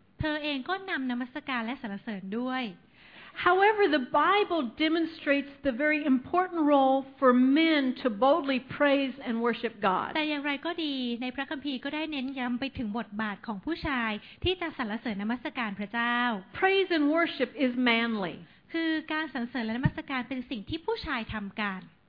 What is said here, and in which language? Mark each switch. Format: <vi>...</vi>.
<th>เธอเองก็นำนมัสการและสรรเสริญด้วย</th> <en>However, the Bible demonstrates the very important role for men to boldly praise and worship God.</en> <th>แต่อย่างไรก็ดีในพระคัมภีร์ก็ได้เน้นย้ำไปถึงบทบาทของผู้ชายที่จะสรรเสริญนมัสการพระเจ้า</th> <en>Praise and worship is manly.</en> <th>คือการสรรเสริญและนมัสการเป็นสิ่งที่ผู้ชายทำกัน</th>